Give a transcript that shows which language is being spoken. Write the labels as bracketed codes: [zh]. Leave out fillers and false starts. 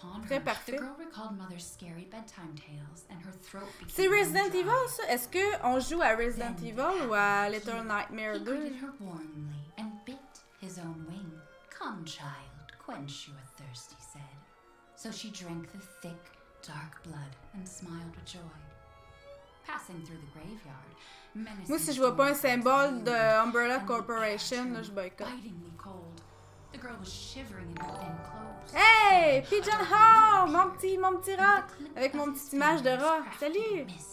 [en] The girl recalled mother's scary bedtime tales and her throat became [fr] C'est Resident Evil, ça? Est-ce qu'on joue à Resident Evil ou à Little Nightmare 2? [en] He greeted her warmly and bit his own wing. Come, child, quench your thirst, he said. So she drank the thick, dark blood and smiled with joy. Passing through the graveyard, menacing [fr] Moi, si je vois pas un symbole de Umbrella Corporation, là, je boycotte. [en] The girl was shivering in her thin clothes. [fr] Hey, Pigeon Hall, mon petit rat, avec mon petite image de rat. Salut.